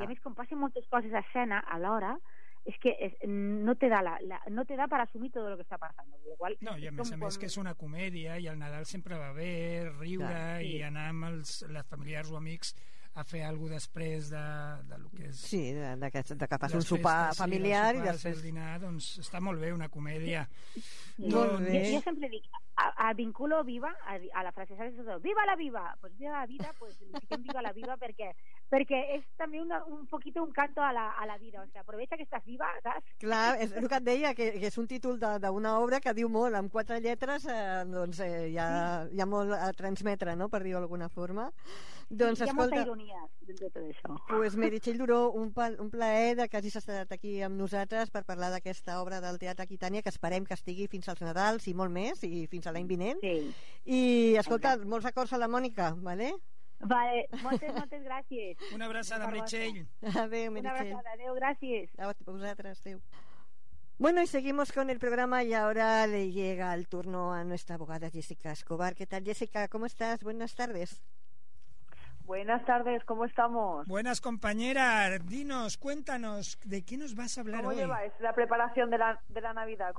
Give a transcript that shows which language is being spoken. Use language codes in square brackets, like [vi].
[ca] I a més, com passen moltes coses a escena alhora, és que no [es] te da [ca] per assumir tot el que està passant. Igual, no, i a més, com... que és una comèdia i el Nadal sempre va bé, riure, clar, sí, i anar amb els familiars o amics a fer alguna cosa després de lo que és... Sí, de que fas un sopar familiar... Sí, el sopar, després... el dinar, doncs està molt bé, una comèdia. Sí. Molt bé. Jo sempre dic, a vinculo viva, a la frase, saps? Viva la viva! Pues viva la vida, pues fiquem viva la viva, perquè és també [es] un poquito un canto a la vida, o sea, aprovecha [ca] que estàs viva, saps? Clar, és el que et deia, que és un títol d'una obra que diu molt, amb quatre lletres, doncs hi ha molt a transmetre, no?, per dir-ho d'alguna forma. Doncs, hi ha escolta, molta ironia dintre de tot això. Pues, Meritxell Duró, un plaer de que hagis estat aquí amb nosaltres per parlar d'aquesta obra del Teatre Aquitània, que esperem que estigui fins als Nadals i molt més, i fins a l'any vinent. Sí. I, escolta, exacte, molts acords a la Mònica, vale? Vale, moltes gràcies. Una abraçada, Meritxell. Adéu, Meritxell. Una abraçada, adéu, gràcies. A vosaltres, adéu. [es] Bueno, y seguimos con el programa y ahora le llega el turno a nuestra abogada Jessica Escobar. ¿Qué tal, Jessica? ¿Cómo estás? Buenas tardes. Buenas tardes, ¿cómo estamos? Buenas, compañera. Dinos, cuéntanos, ¿de qué nos vas a hablar hoy? ¿Cómo lleváis la preparación de la Navidad?